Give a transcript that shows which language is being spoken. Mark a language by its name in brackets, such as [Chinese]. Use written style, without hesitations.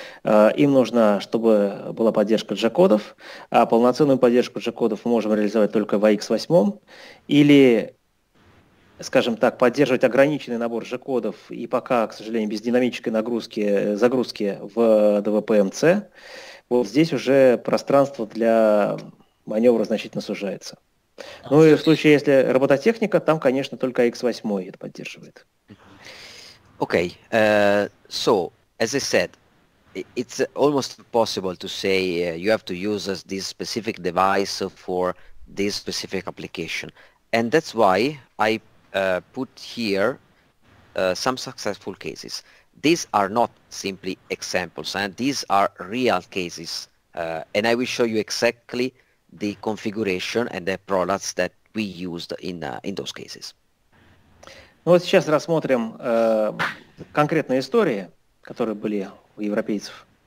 [Russian] Им нужно, чтобы была поддержка G-кодов, а полноценную поддержку G-кодов мы можем реализовать только в AX8, или, скажем так, поддерживать ограниченный набор G-кодов и пока, к сожалению, без динамической нагрузки, загрузки в DVP-MC. Вот здесь уже пространство для маневра значительно сужается. Ну и в случае, если робототехника, там, конечно, только AX8 это поддерживает. [English] Okay, so, as I said, it's almost impossible to say you have to use this specific device for this specific application. And that's why I put here some successful cases. These are not simply examples, and these are real cases. And I will show you exactly the configuration and the products that we used in those cases. [Russian] Ну вот сейчас рассмотрим конкретные истории, которые были у европейцев.